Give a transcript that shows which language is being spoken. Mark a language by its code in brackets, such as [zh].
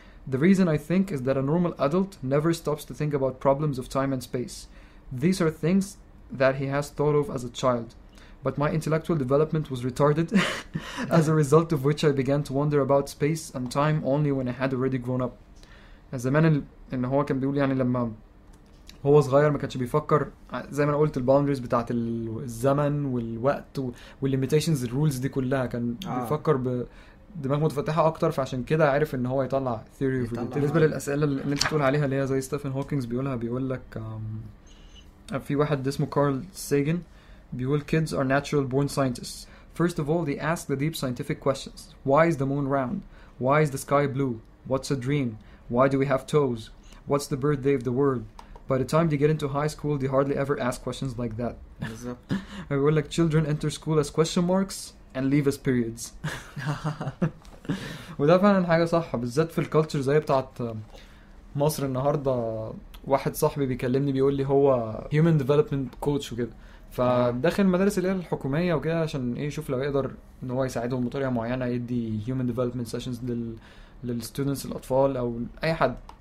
[en] The reason I think is that a normal adult never stops to think about problems of time and space. These are things that he has thought of as a child. But my intellectual development was retarded, as a result of which I began to wonder about space and time only when I had already grown up. [ar] زمان ان هو كان بيقول يعني لما هو صغير ما كانش بيفكر زي ما انا قلت الباوندريز بتاعه الزمن والوقت والليميتيشنز الرولز دي كلها كان بيفكر بدماغ متفتحه اكتر فعشان كده عارف ان هو يطلع [en] theory of relativity [ar] بالنسبه للاسئله اللي انت بتقول عليها اللي هي زي ستيفن هوكينجز بيقولها بيقول لك في واحد اسمه كارل سيجن بيقول [en] kids are natural born scientists. First of all they ask the deep scientific questions. Why is the moon round? Why is the sky blue? What's a dream? Why do we have toes? What's the birthday of the world? By the time they get into high school, they hardly ever ask questions like that. Exactly. We're like children enter school as question marks and leave as periods. [ar] وده فعلا حاجة صح بالذات في الكالتشر زي بتاعت مصر النهاردة واحد صاحبي بيكلمني بيقول لي هو [en] human development coach [ar] وكده فداخل المدارس اللي هي الحكومية وكده عشان ايه يشوف لو يقدر ان هو يساعدهم بطريقة معينة يدي [en] human development sessions [ar] للستودنتس الاطفال او اي حد